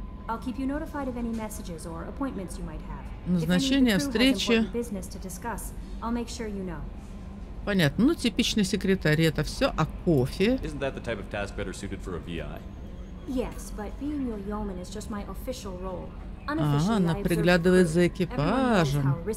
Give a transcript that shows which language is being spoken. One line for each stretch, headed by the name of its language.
English: I'll keep you notified of any messages or appointments you might have.
Russian: Назначение, встречи.
English: Business to discuss. I'll make sure you know.
Russian: Понятно. Ну, типичный секретарь, это все о кофе.
English: Isn't that the type of task better suited for a VI? Yes, but being your yeoman is just my official role.
Russian: Она приглядывает за экипажем.